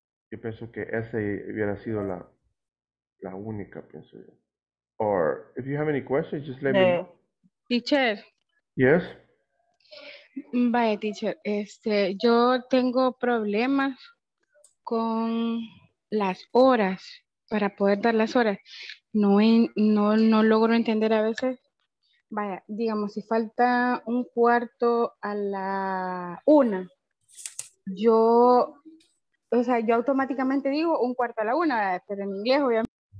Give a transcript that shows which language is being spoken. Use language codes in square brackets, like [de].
[es] Yo pienso que esa hubiera sido la, la única, pienso yo. [en] Or if you have any questions, just let me know. Teacher. Yes? [es] Vaya, teacher, yo tengo problemas con las horas, para poder dar las horas. No logro entender a veces. Vaya, digamos, si falta un cuarto a la una, yo, o sea, yo automáticamente digo un cuarto a la una, pero en inglés, obviamente.